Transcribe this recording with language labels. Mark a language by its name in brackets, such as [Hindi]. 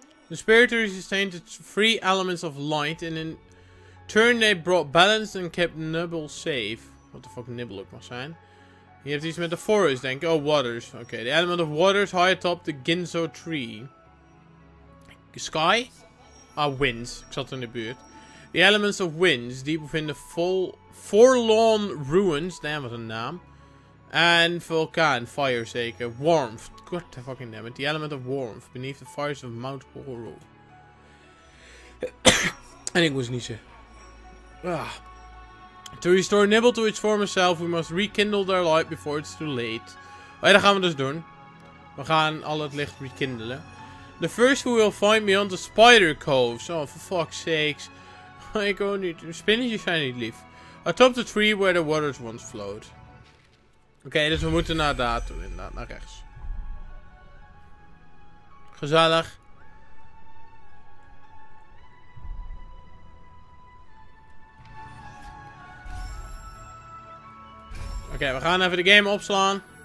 [English] The spirit tree sustained the 3 elements of light, and in turn they brought balance and kept Nibble safe. What the fuck [Dutch] Nibble ook mag zijn. Je hebt iets met de forest, denk ik. [English] Oh, waters. Oké, okay. The element of waters high atop the Ginzo tree. Sky? Ah, winds. [Dutch] Ik zat in de buurt. [English] The elements of winds deep within the forlorn ruins. Damn, [Dutch] wat een naam. [English] And vulkan, fire zeker. Warmth. God the fucking damn it. The element of warmth beneath the fires of Mount Horo. [Dutch] En ik was niet zo. [English] Ah. To restore Nibble to its former self, we must rekindle their light before it's too late. [Dutch] Oh, ja, dat gaan we dus doen. We gaan al het licht rekindelen. [English] The first who will find me on the spider cove. Oh, for fuck's sakes. [Dutch] Ik wil niet. Spinnetjes zijn niet lief. [English] Atop the tree where the waters once flowed. [Dutch] Oké, dus we moeten naar daar toe, inderdaad, naar rechts. Gezellig. Oké, we gaan even de game opslaan.